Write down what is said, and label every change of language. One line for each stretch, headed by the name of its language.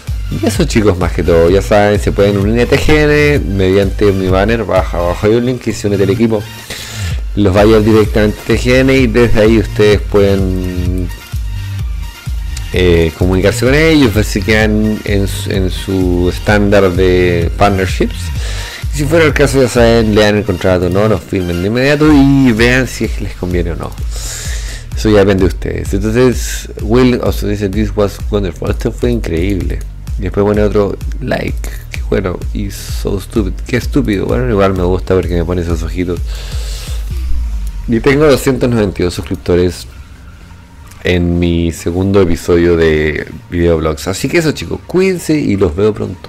Spanish: Y eso, chicos, más que todo, ya saben, se pueden unir a TGN mediante mi banner, abajo hay un link que se une del equipo, los va a llevar directamente a TGN y desde ahí ustedes pueden comunicarse con ellos, ver si quedan en su estándar de partnerships. Si fuera el caso, ya saben, lean el contrato, no nos firmen de inmediato y vean si es que les conviene o no. Eso ya depende de ustedes. Entonces,
English: Will also
Spanish: dice,
English: this was wonderful.
Spanish: Esto fue increíble. Y después pone otro like. Qué bueno. Y
English: so stupid.
Spanish: Qué estúpido. Bueno, igual me gusta porque me pone esos ojitos. Y tengo 292 suscriptores en mi segundo episodio de videoblogs. Así que eso, chicos, cuídense y los veo pronto.